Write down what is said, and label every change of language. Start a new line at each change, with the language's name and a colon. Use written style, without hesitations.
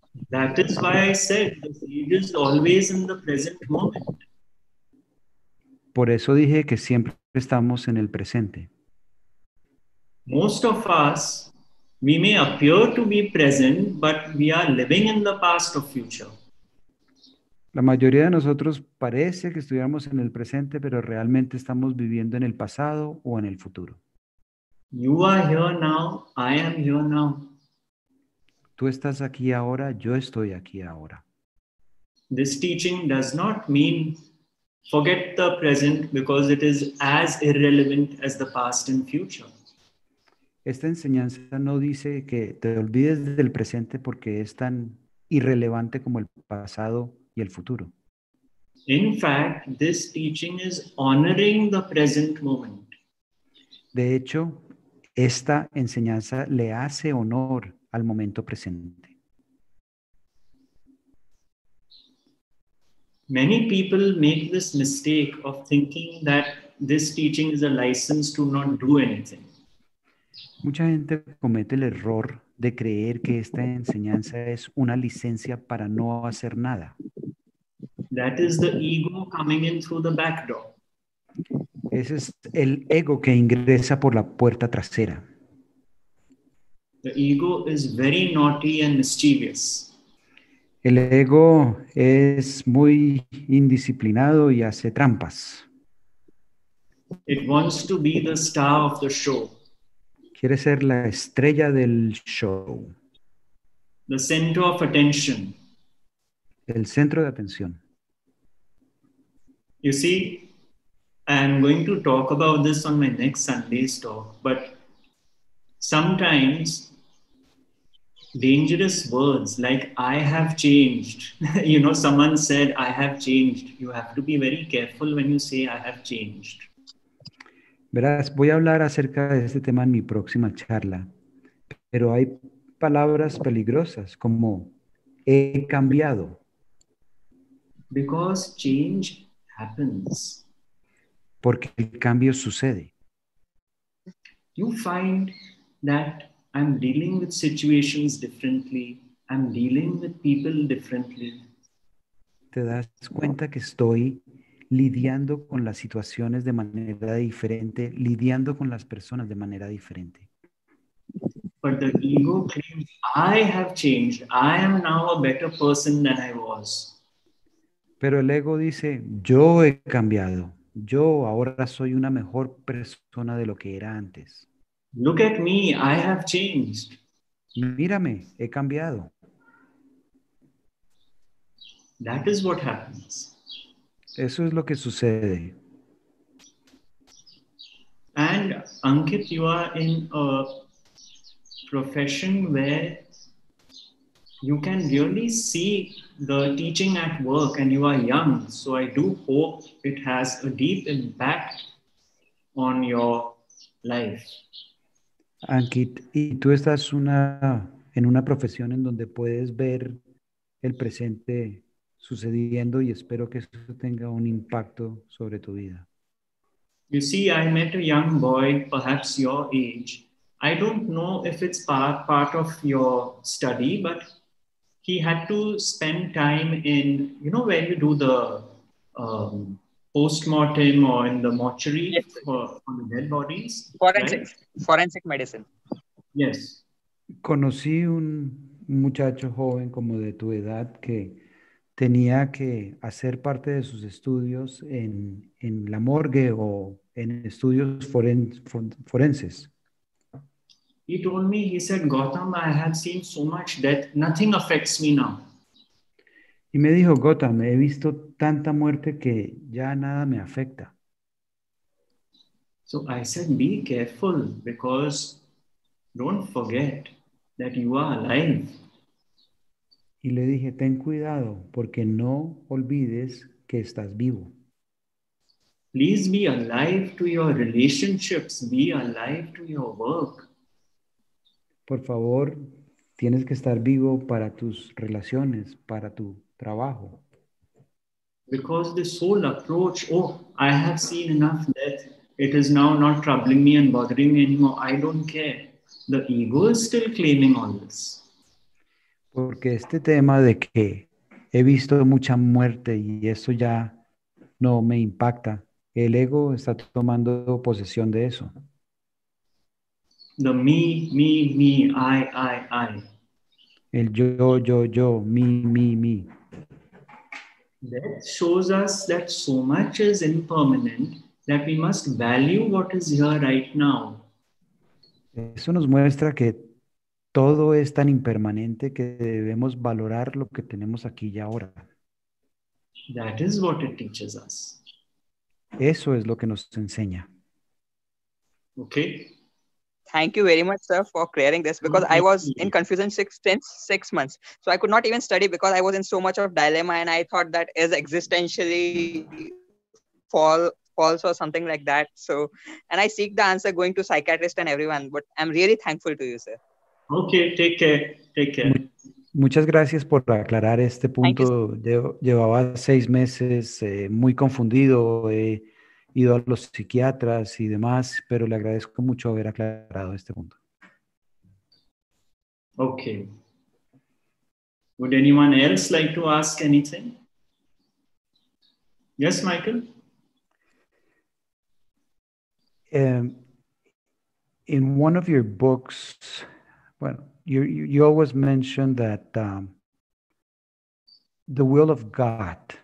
English: That is why I said the seed is always in the present moment.
Spanish: Por eso dije que siempre estamos en el presente.
English: Most of us, we may appear to be present, but we are living in the past or future.
Spanish: La mayoría de nosotros parece que estuviéramos en el presente, pero realmente estamos viviendo en el pasado o en el futuro.
English: You are here now, I am here now.
Spanish: Tú estás aquí ahora, yo estoy aquí ahora.
English: This teaching does not mean forget the present, because it is as irrelevant as the past and future.
Spanish: Esta enseñanza no dice que te olvides del presente porque es tan irrelevante como el pasado y el futuro.
English: In fact, this teaching is honoring the present moment.
Spanish: De hecho, esta enseñanza le hace honor al momento presente.
English: Many people make this mistake of thinking that this teaching is a license to not do anything.
Spanish: Mucha gente comete el error de creer que esta enseñanza es una licencia para no hacer nada.
English: That is the ego coming in through the back door.
Spanish: Ese es el ego que ingresa por la puerta trasera.
English: The ego is very naughty and mischievous.
Spanish: El ego es muy indisciplinado y hace trampas.
English: It wants to be the star of the show.
Spanish: Quiere ser la estrella del show.
English: The center of attention.
Spanish: El centro de atención.
English: You see, I am going to talk about this on my next Sunday's talk, but sometimes dangerous words like I have changed, you know, someone said I have changed. You have to be very careful when you say I have changed.
Spanish: Verás, voy a hablar acerca de este tema en mi próxima charla, pero hay palabras peligrosas como he cambiado.
English: Because change happens.
Spanish: Porque el cambio sucede.
English: You find that I'm dealing with situations differently. I'm dealing with people differently.
Spanish: ¿Te das cuenta que estoy lidiando con las situaciones de manera diferente, lidiando con las personas de manera diferente?
English: But the ego claims, I have changed. I am now a better person than I was.
Spanish: Pero el ego dice, yo he cambiado. Yo ahora soy una mejor persona de lo que era antes.
English: Look at me, I have changed.
Spanish: Mírame, he cambiado.
English: That is what happens.
Spanish: Eso es lo que sucede.
English: And Ankit, you are in a profession where you can really see the teaching at work, and you are young. So I do hope it has a deep impact on your life.
Spanish: Ankit, y tú estás en una profesión en donde puedes ver el presente sucediendo, y espero que eso tenga un impacto sobre tu vida.
English: You see, I met a young boy, perhaps your age. I don't know if it's part of your study, but he had to spend time in, you know, where you do the post-mortem or in the mortuary on the dead bodies. Forensic medicine. Yes.
Spanish: Conocí un muchacho joven como de tu edad que tenía que hacer parte de sus estudios en la morgue o en estudios forenses.
English: He told me, he said, Gautam, I have seen so much death, nothing affects me now.
Spanish: Y me dijo, Gautam, he visto tanta muerte que ya nada me afecta.
English: So I said, be careful, because don't forget that you are alive.
Spanish: Y le dije, ten cuidado, porque no olvides que estás vivo.
English: Please be alive to your relationships, be alive to your work.
Spanish: Por favor, tienes que estar vivo para tus relaciones, para tu trabajo.
English: Because the soul approach, oh, I have seen enough death. It is now not troubling me and bothering me anymore. I don't care. The ego is still claiming all this.
Spanish: Porque este tema de que he visto mucha muerte y eso ya no me impacta, el ego está tomando posesión de eso.
English: The me, I.
Spanish: El yo, me.
English: That shows us that so much is impermanent that we must value what is here right now.
Spanish: Eso nos muestra que todo es tan impermanente que debemos valorar lo que tenemos aquí y ahora.
English: That is what it teaches us.
Spanish: Eso es lo que nos enseña.
English: Okay. Thank you very much, sir, for clearing this, because I was in confusion since six months. So I could not even study because I was in so much of dilemma and I thought that is existentially false or something like that. So, and I seek the answer going to psychiatrist and everyone, but I'm really thankful to you, sir. Okay, take care.
Spanish: Muchas gracias por aclarar este punto. Llevaba 6 meses muy confundido. Ido a los psiquiatras y demás, pero le agradezco mucho haber aclarado este punto.
English: Okay. Would anyone else like to ask anything? Yes, Michael. In one of your books, well, you always mentioned that the will of God.